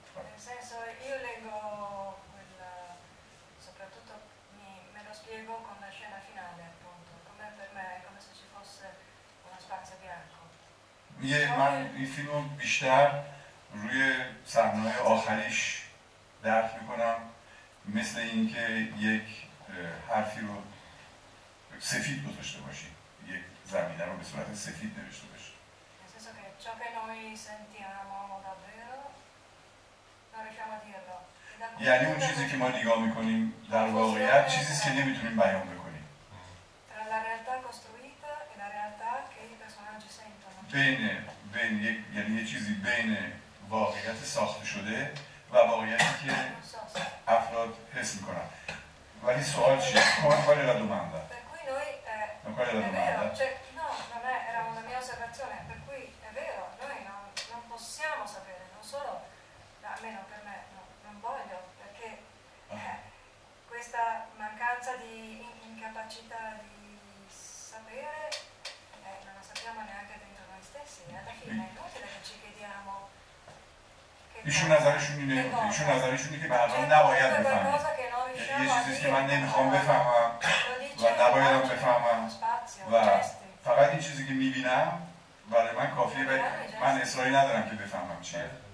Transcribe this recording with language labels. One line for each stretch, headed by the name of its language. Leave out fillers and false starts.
Italian: Nel senso io leggo quella soprattutto me lo spiego con la scena finale appunto, come per me è come se ci fosse uno spazio bianco.
Persian: میگه من این فیلم رو بیشتر روی صحنه آخریش درک میکنم، مثل اینکه یک حرفی رو سفید گذاشته باشی، یک زمینه رو به صورت سفید نوشته باشی.
Italian: Nel senso che ciò che noi sentiamo davvero non riusciamo a dirlo.
Persian: یعنی اون چیزی که ما نگاه میکنیم در واقعیت چیزیست که نمیتونیم بیان بکنیم.
Italian: Tra la realtà costruita e la realtà che i personaggi sentono.
Persian: Bene, یعنی یه چیزی بین واقعیت ساخته شده و واقعیتی که افراد حس میکنن. ولی سوال چیه؟
Italian: come fare la domanda? Per cui noi non è vero, cioè no, non è, era una mia osservazione, per cui è vero, noi non possiamo sapere, non solo almeno per me, no, non voglio, perché questa mancanza di incapacità di sapere non la sappiamo neanche dentro noi stessi, alla fine è inutile che ci chiediamo.
Persian: ایشون نظرشون اینه که برنامه نباید بفهمم. یه چیزی که من نمیخوام بفهمم و نباید بفهمم و فقط این چیزی که میبینم برای من کافیه. برای من اصراری ندارم که بفهمم چیه.